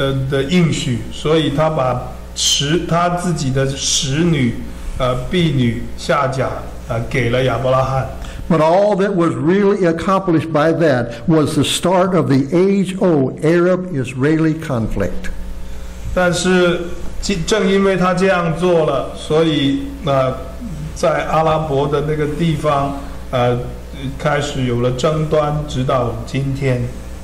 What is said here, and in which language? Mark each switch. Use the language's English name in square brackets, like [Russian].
[Chinese] 的应许，所以他把他自己的使女婢女夏甲给了亚伯拉罕。 [English] But all that was really accomplished by that was the start of the age-old Arab-Israeli conflict. [Chinese] 但是正因为他这样做了，所以在阿拉伯的那个地方开始有了争端，直到今天。